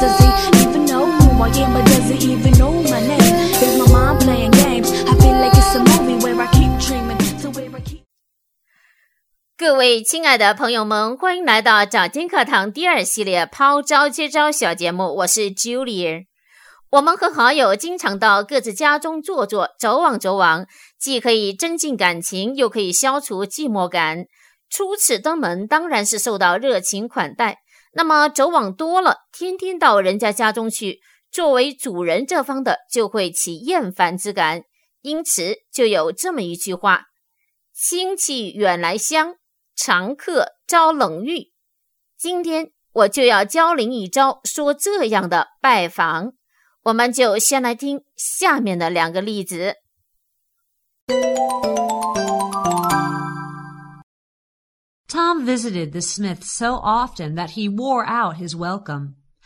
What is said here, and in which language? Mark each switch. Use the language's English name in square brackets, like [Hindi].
[English] Does he even know who I am? Or does he even know my name? Is my mind playing games? I feel like it's a movie where I keep dreaming. So where I keep... [Chinese] 各位亲爱的朋友们，欢迎来到找金课堂第二系列抛招接招小节目，我是 Julie。我们和好友经常到各自家中坐坐，走往走往，既可以增进感情，又可以消除寂寞感。初次登门当然是受到热情款待，那么走往多了，天天到人家家中去，作为主人这方的就会起厌烦之感。因此就有这么一句话，亲戚远来乡，常客遭冷遇。今天我就要教您一招说这样的拜访。我们就先来听下面的两个例子。 [English] Tom visited the Smith so often that he wore out his welcome.